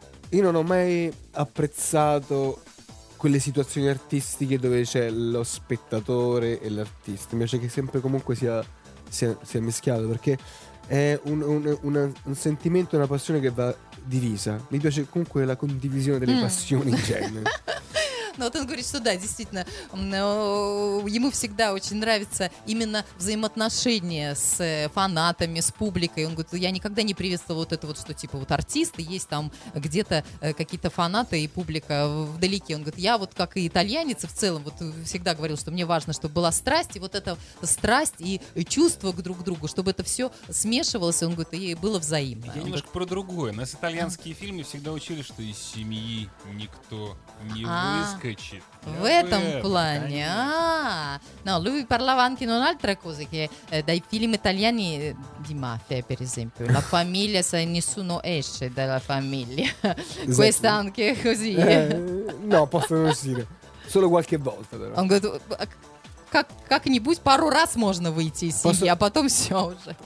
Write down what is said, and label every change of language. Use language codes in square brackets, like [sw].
[it] Io non ho mai apprezzato quelle situazioni artistiche dove c'è lo spettatore e l'artista, invece che sempre comunque sia mischiato, perché è un sentimento, una passione che va divisa. Mi piace comunque la condivisione delle passioni in genere. [ru] Но вот он говорит, что да, действительно, ему всегда очень нравится именно взаимоотношения с фанатами, с публикой. Он говорит, я никогда не приветствовал вот это вот, что типа вот артисты есть там где-то какие-то фанаты и публика вдалеке. Он говорит, я вот как и итальянец в целом вот всегда говорил, что мне важно, чтобы была страсть, и вот эта страсть и чувство к друг другу, чтобы это все смешивалось, он говорит, и было взаимно. Я немножко про другое. Нас итальянские фильмы всегда учили, что из семьи никто не выскочит. В этом плане. [it] Но lui parlava anche di un'altra cosa, che dai film italiani di mafia, per esempio, la famiglia, sai, nessuno esce dalla famiglia. Questa anche così. No, possono uscire solo qualche volta, però. [ru] Он говорит, как-нибудь пару раз можно выйти из семьи, а потом все уже.